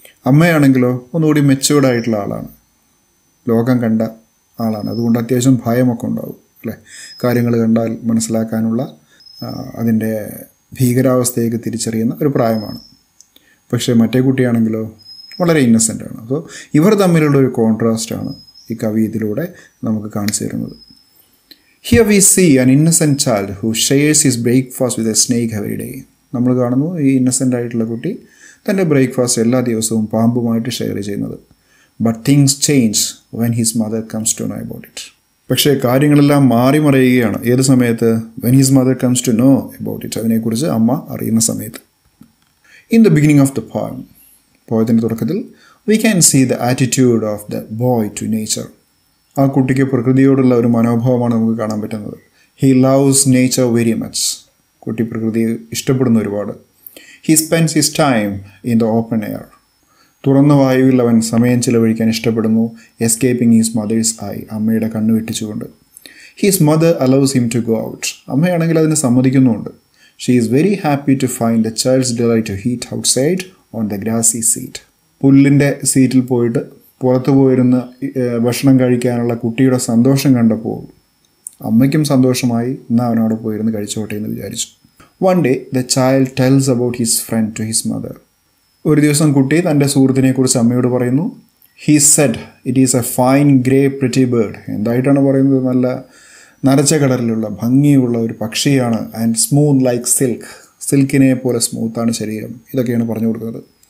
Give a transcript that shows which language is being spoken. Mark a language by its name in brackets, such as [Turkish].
[Malayalam] അമ്മയാണെങ്കിലോ ഒന്നുകൂടി മെച്യൂർഡായിട്ടുള്ള ആളാണ്, ലോകം കണ്ട ആളാണ്, അതുകൊണ്ട് അത്യാവശ്യം ഭയമൊക്കെ ഉണ്ടാവും അല്ലേ, കാര്യങ്ങൾ കണ്ടാൽ മനസ്സിലാക്കാനുള്ള അതിൻ്റെ ഭീകരാവസ്ഥയേക്ക് തിരിച്ചറിയുന്ന ഒരു പ്രായമാണ്. പക്ഷേ മറ്റേ കുട്ടിയാണെങ്കിലോ വളരെ ഇന്നസെൻ്റ് ആണ്. അപ്പോൾ ഇവർ തമ്മിലുള്ള ഒരു കോൺട്രാസ്റ്റാണ് ഈ കവി ഇതിലൂടെ നമുക്ക് കാണിച്ചു തരുന്നത്. [English] Here we see an innocent child who shares his breakfast with a snake every day. [Malayalam] നമ്മൾ കാണുന്നു ഈ ഇന്നസെൻ്റ് ആയിട്ടുള്ള കുട്ടി തൻ്റെ ബ്രേക്ക്ഫാസ്റ്റ് എല്ലാ ദിവസവും പാമ്പുമായിട്ട് ഷെയർ ചെയ്യുന്നത്. [English] But things change when his mother comes to know about it. [Malayalam] പക്ഷേ കാര്യങ്ങളെല്ലാം മാറി മറിയുകയാണ് ഏത് സമയത്ത്? [English] When his mother comes to know about it, [Malayalam] അതിനെക്കുറിച്ച് അമ്മ അറിയുന്ന സമയത്ത്. [English] In the beginning of the poem, [Malayalam] പോയതിൻ്റെ തുടക്കത്തിൽ [English] we can see the attitude of the boy to nature. [Malayalam] ആ കുട്ടിക്ക് പ്രകൃതിയോടുള്ള ഒരു മനോഭാവമാണ് നമുക്ക് കാണാൻ പറ്റുന്നത്. [English] He loves nature very much. [Malayalam] കുട്ടി പ്രകൃതിയെ ഇഷ്ടപ്പെടുന്നു ഒരുപാട്. [English] He spends his time in the open air. [Malayalam] തുറന്ന വായുവിൽ അവൻ സമയം ചിലവഴിക്കാൻ ഇഷ്ടപ്പെടുന്നു. [English] Escaping his mother's eye. [Malayalam] അമ്മയുടെ കണ്ണു വെട്ടിച്ചുകൊണ്ട്. [English] His mother allows him to go out. [Malayalam] അമ്മയാണെങ്കിൽ അതിന് സമ്മതിക്കുന്നുണ്ട്. [English] She is very happy to find the child's delight to eat outside on the grassy seat. [Malayalam] പുല്ലിൻ്റെ സീറ്റിൽ പോയിട്ട് പുറത്തു പോയിരുന്ന് ഭക്ഷണം കഴിക്കാനുള്ള കുട്ടിയുടെ സന്തോഷം കണ്ടപ്പോൾ അമ്മയ്ക്കും സന്തോഷമായി, എന്നാൽ അവനവിടെ പോയിരുന്ന് കഴിച്ചോട്ടെ എന്ന് വിചാരിച്ചു. [English] One day, the child tells about his friend to his mother. [Malayalam] ഒരു ദിവസം കുട്ടി തൻ്റെ സുഹൃത്തിനെക്കുറിച്ച് അമ്മയോട് പറയുന്നു. [English] He said it is a fine grey pretty bird. [Malayalam] എന്തായിട്ടാണ് പറയുന്നത്? നല്ല നരച്ച കടലിലുള്ള ഭംഗിയുള്ള ഒരു പക്ഷിയാണ്. [English] and smooth like silk, [Malayalam] സിൽക്കിനെ പോലെ സ്മൂത്താണ് ശരീരം. ഇതൊക്കെയാണ് പറഞ്ഞു കൊടുക്കുന്നത്.